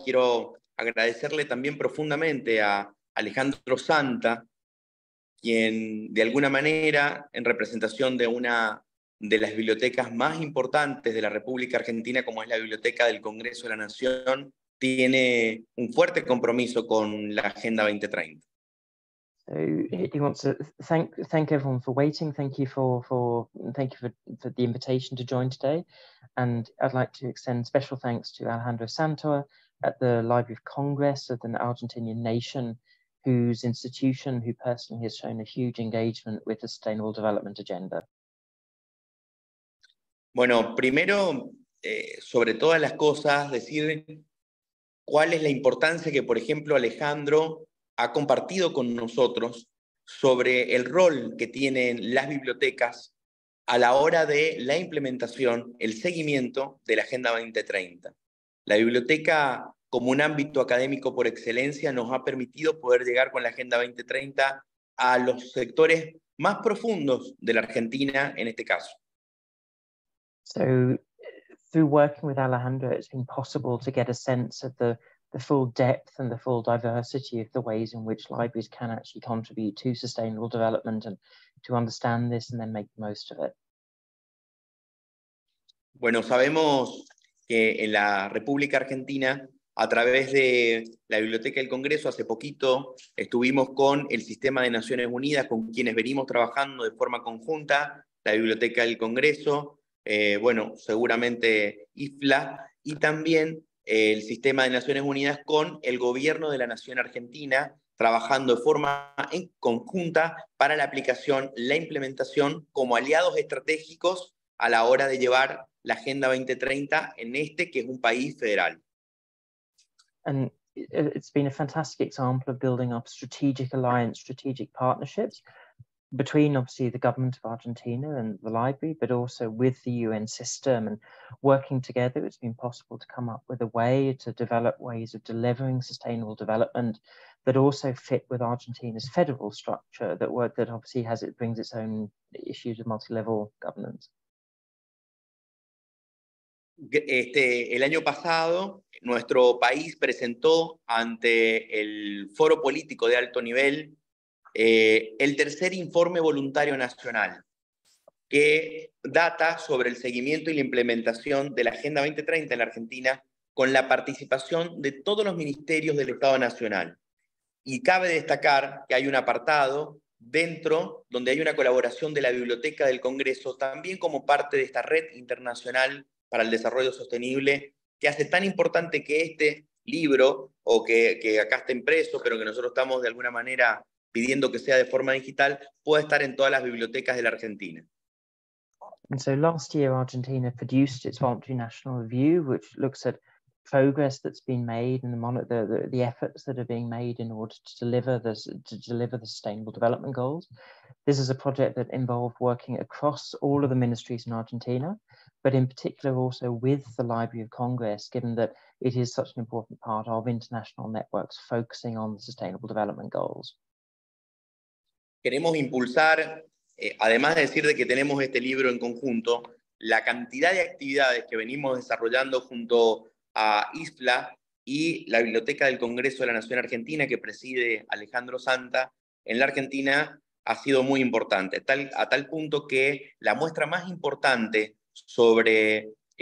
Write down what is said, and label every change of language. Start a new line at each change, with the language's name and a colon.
Spanish: Quiero agradecerle también profundamente a Alejandro Santa, quien de alguna manera, en representación de una de las bibliotecas más importantes de la República Argentina, como es la Biblioteca del Congreso de la Nación, tiene un fuerte compromiso con la Agenda 2030.
English: So he wants to thank everyone for waiting. Thank you for the invitation to join today. And I'd like to extend special thanks to Alejandro Santa at the Library of Congress of the Argentinian Nation, whose institution, who personally has shown a huge engagement with the Sustainable Development Agenda?
Spanish: Bueno, primero, sobre todas las cosas, decir cuál es la importancia que, por ejemplo, Alejandro ha compartido con nosotros sobre el rol que tienen las bibliotecas a la hora de la implementación, el seguimiento de la Agenda 2030. La biblioteca, como un ámbito académico por excelencia, nos ha permitido poder llegar con la Agenda 2030 a los sectores más profundos de la Argentina, en este caso.
English: So, through working with Alejandro, it's been possible to get a sense of the full depth and the full diversity of the ways in which libraries can actually contribute to sustainable development and to understand this and then make the most of it.
Spanish: Bueno, sabemos que en la República Argentina, a través de la Biblioteca del Congreso, hace poquito estuvimos con el Sistema de Naciones Unidas, con quienes venimos trabajando de forma conjunta, la Biblioteca del Congreso, bueno, seguramente IFLA, y también el Sistema de Naciones Unidas con el Gobierno de la Nación Argentina, trabajando de forma en conjunta para la aplicación, la implementación, como aliados estratégicos a la hora de llevar la Agenda 2030 en este, que es un país federal.
English: And it's been a fantastic example of building up strategic alliance, strategic partnerships between obviously the government of Argentina and the library, but also with the UN system and working together, it's been possible to come up with a way to develop ways of delivering sustainable development that also fit with Argentina's federal structure that work that obviously has it brings its own issues of multi-level governance.
Spanish: El año pasado, nuestro país presentó ante el foro político de alto nivel el tercer informe voluntario nacional, que data sobre el seguimiento y la implementación de la Agenda 2030 en la Argentina con la participación de todos los ministerios del Estado Nacional. Y cabe destacar que hay un apartado dentro donde hay una colaboración de la Biblioteca del Congreso, también como parte de esta red internacional para el desarrollo sostenible, que hace tan importante que este libro, o que acá está impreso, pero que nosotros estamos de alguna manera pidiendo que sea de forma digital, pueda estar en todas las bibliotecas de la Argentina.
English: And so last year, Argentina produced its Voluntary National Review, which looks at progress that's been made and the efforts that are being made in order to deliver the Sustainable Development Goals. This is a project that involved working across all of the ministries in Argentina, but in particular also with the Library of Congress, given that it is such an important part of international networks focusing on the Sustainable Development Goals.
Spanish: Queremos impulsar, además de decir de que tenemos este libro en conjunto, la cantidad de actividades que venimos desarrollando junto a ISPLA y la Biblioteca del Congreso de la Nación Argentina que preside Alejandro Santa en la Argentina ha sido muy importante, a tal punto que la muestra más importante sobre